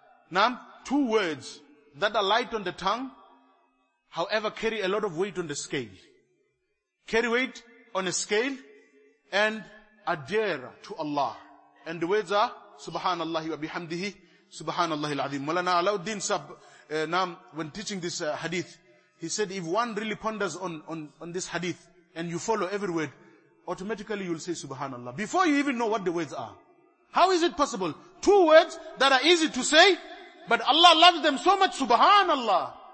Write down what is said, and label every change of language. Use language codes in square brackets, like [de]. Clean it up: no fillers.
[en] Now, two words that are light on the tongue, however, carry a lot of weight on the scale. Carry weight on a scale and adhere to Allah. And the words are, [ar] سُبْحَانَ اللَّهِ وَبِحَمْدِهِ سُبْحَانَ اللَّهِ الْعَظِيمِ. [en] Mawlana Alauddin Sab, when teaching this hadith, he said, if one really ponders on this hadith, and you follow every word, automatically you'll say subhanallah. Before you even know what the words are. How is it possible? Two words that are easy to say, but Allah loves them so much, subhanallah.